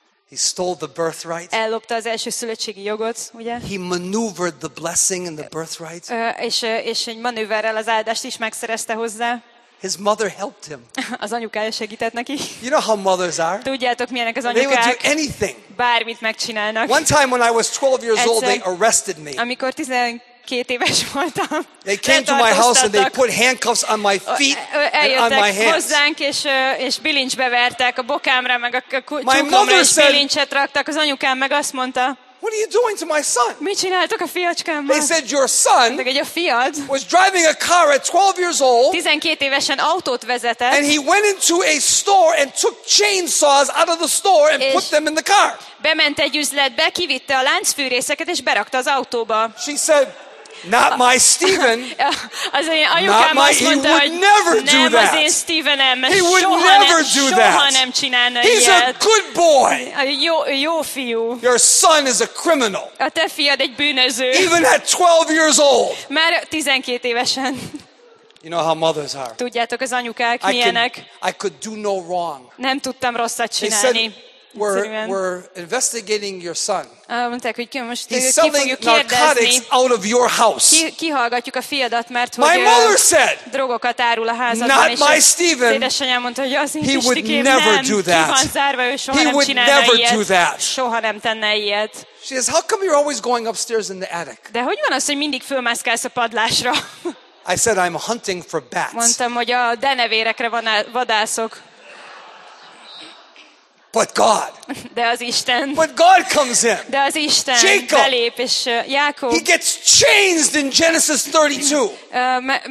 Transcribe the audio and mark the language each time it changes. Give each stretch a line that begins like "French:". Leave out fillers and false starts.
English: He stole the birthright.
Hungarian: Ellopta az első szülőségi jogot, ugye?
English: He maneuvered the blessing and the birthright.
Hungarian: És egy manőverrel az áldást is megszerezte hozzá.
English: His mother helped him.
Hungarian: Az anyukája segített neki.
English: You know how mothers are.
Hungarian: Tudjátok, milyenek az anyukák.
English: They would do anything.
Hungarian: Bármit megcsinálnak.
English: One time when I was 12 years old, they arrested me.
Hungarian: Amikor 12 éves voltam.
English: They came to my house and they put handcuffs on my feet and on my hands.
Hungarian: Eljöttek hozzánk, és bilincsbe vertek a bokámra, meg a csukomra, és bilincset raktak. Az anyukám meg azt mondta,
English: what are you doing to my son?
Hungarian: Mit csináltok a fiacskámmal?
English: They said your son was driving a car at 12 years old.
Hungarian: 12 évesen autót vezetett.
English: And he went into a store and took chainsaws out of the store and put them in the car.
Hungarian: Bement egy üzletbe, kivitte a láncfűrészeket és berakta az autóba.
English: She said, not my Stephen.
Hungarian: Az én anyukám azt mondta,
English: he would never do
Hungarian: nem
English: that.
Hungarian: Az én Stephenem.
English: He would never do that.
Hungarian: Soha nem csinálna ilyet.
English: He's a good boy.
Hungarian: A jó fiú.
English: Your son is a criminal.
Hungarian: A te fiad egy bűnöző.
English: Even at 12 years old.
Hungarian: Már 12 évesen.
English: You know how mothers are.
Hungarian: Tudjátok, az anyukák milyenek.
English: I could do no wrong.
Hungarian: Nem tudtam rosszat csinálni.
English: We're investigating your son. He's selling narcotics out of your house.
Hungarian: Kihallgatjuk a fiadat, mert
English: my mother said,
Hungarian: drogokat árul a házadban.
English: Not my Stephen.
Hungarian: Édesanyám mondta, hogy az én
English: he would never
Hungarian: nem.
English: Do that.
Hungarian: Zárva,
English: he would never
Hungarian: ilyet.
English: Do that.
Hungarian: Soha nem tenne ilyet.
English: She says, how come you're always going upstairs in the attic?
Hungarian: De hogy van az, hogy mindig fölmászkálsz a padlásra?
English: I said, I'm hunting for bats.
Hungarian: Mondtam, hogy a denevérekre vadászok.
English: But God.
Hungarian: De az Isten.
English: But God comes in.
Hungarian: De az Isten Jacob. Belép, és Jákob.
English: He gets changed in Genesis 32.